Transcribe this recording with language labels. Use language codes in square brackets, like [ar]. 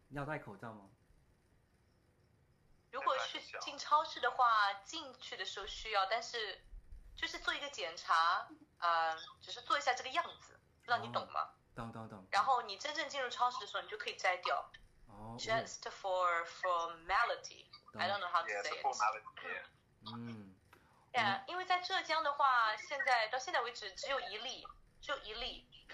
[zh] 要戴口罩吗？如果去进超市的话，进去的时候需要，但是就是做一个检查，只是做一下这个样子，让你懂吗？哦，懂懂懂。然后你真正进入超市的时候，你就可以摘掉。 [en] Oh, just for formality, I don't know how to say it. Formality. Yeah. [zh] 因为在浙江的话，现在到现在为止只有一例，只有一例。